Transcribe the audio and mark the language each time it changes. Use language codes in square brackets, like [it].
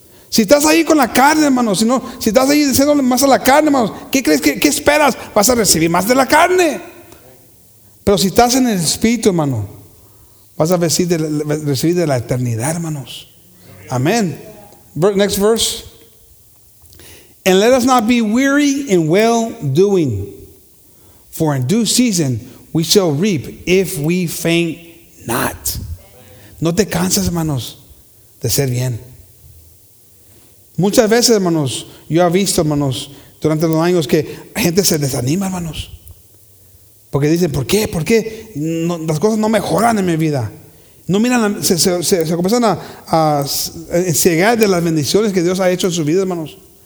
[es] Si estás ahí con la carne, hermanos, si estás ahí diciendo más a la carne, hermanos, ¿qué crees? ¿Qué esperas? Vas a recibir más de la carne. Pero si estás en el Espíritu, hermano, vas a recibir de la eternidad, hermanos. [en] Amén. Next verse. And let us not be weary in well doing, for in due season we shall reap if we faint not. [es] No te cansas, hermanos, de ser bien. Muchas veces, hermanos, yo he visto, hermanos, durante los años que gente se desanima, hermanos. Porque dicen, ¿por qué? ¿Por qué? No, las cosas no mejoran en mi vida. No miran, se comienzan a cegar de las bendiciones que Dios ha hecho en su vida, hermanos.